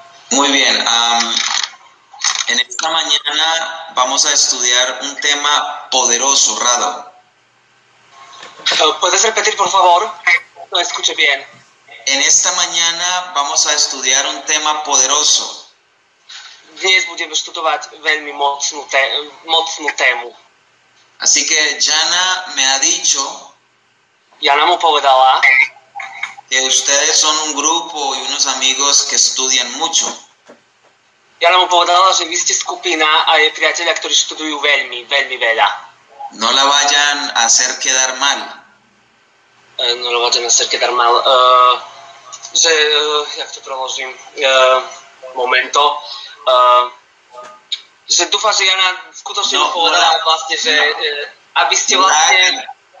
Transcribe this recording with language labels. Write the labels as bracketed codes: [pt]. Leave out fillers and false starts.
[es] Muy bien, en esta mañana vamos a estudiar un tema poderoso, Rado. ¿Puedes repetir, por favor? No escuché bien. En esta mañana vamos a estudiar un tema poderoso. [sk] Dnes budeme študovať veľmi mocnú tému. [es] Así que Jana me ha dicho, [sk] Jana mu povedala, [es] que ustedes son un grupo y unos amigos que estudian mucho. [sk] Jana mu povedala, že vy ste skupina a je priateľa, ktorí študujú veľmi, veľmi veľa. [es] No la vayan a hacer quedar mal. No la vayan a hacer quedar mal. [sk] Že, jak to preložím, momento. Že dúfam, že Jana skutočne povedala vlastne, že aby ste vlastne...